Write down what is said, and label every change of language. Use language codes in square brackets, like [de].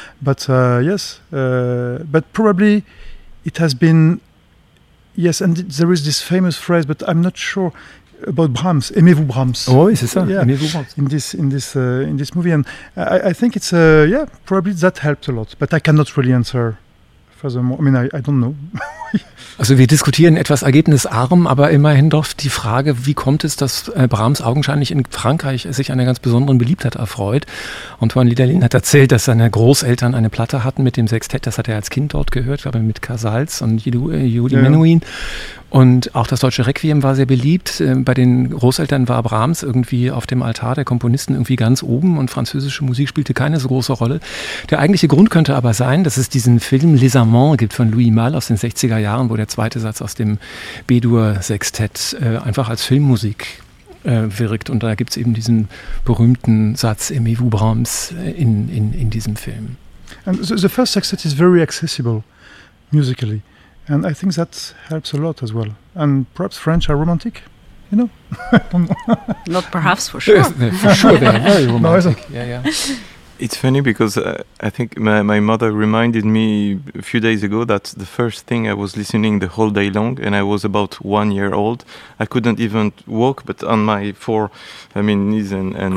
[en] But but probably it has been, yes, and there is this famous phrase, but I'm not sure about Brahms. [fr] Aimez-vous Brahms? Oh, oui, c'est ça. [en] Yeah, [fr] aimez-vous Brahms. [en] In this movie. And I think it's, probably that helped a lot, but I cannot really answer. I mean, I don't know. [de] Also wir diskutieren etwas ergebnisarm, aber immerhin doch die Frage, wie kommt es, dass Brahms augenscheinlich in Frankreich sich einer ganz besonderen Beliebtheit erfreut? Antoine Liederlin hat erzählt, dass seine Großeltern eine Platte hatten mit dem Sextett, das hat er als Kind dort gehört, glaube ich, mit Casals und Judy Menuhin. Und auch das Deutsche Requiem war sehr beliebt. Bei den Großeltern war Brahms irgendwie auf dem Altar der Komponisten irgendwie ganz oben und französische Musik spielte keine so große Rolle. Der eigentliche Grund könnte aber sein, dass es diesen Film Les Amants gibt von Louis Malle aus den 60er Jahren, wo der zweite Satz aus dem B-Dur-Sextett einfach als Filmmusik wirkt. Und da gibt es eben diesen berühmten Satz Aimez-vous Brahms in diesem Film. [en] And the first sextet is very accessible musically. And I think that helps a lot as well. And perhaps French are romantic, you know? Not perhaps, for sure. For sure, they are very romantic. Yeah, yeah. It's funny because I think my mother reminded me a few days ago that the first thing I was listening the whole day long, and I was about 1 year old, I couldn't even walk, but on my knees and